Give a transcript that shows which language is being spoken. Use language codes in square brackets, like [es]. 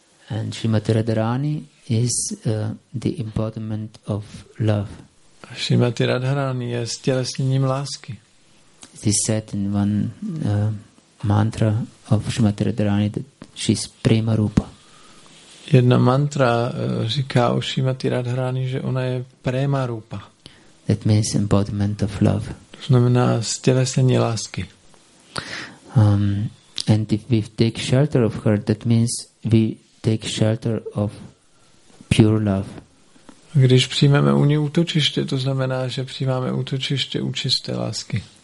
[en] And Srimati Radharani is the embodiment of love. [cs] A Srimati Radharani je stělesněním lásky. [en] It is said in one mantra of Srimati Radharani that she is prima rupa. [cs] Jedna mantra říká o Srimati Radharani, že ona je prema rupa. [en] That means embodiment of love. [cs] To znamená stělesnění lásky. [en] And if we take shelter of her, that means we take shelter of pure love. [cs] Když přijmeme u ní útočiště, to znamená, že přijímáme útočiště u čisté lásky.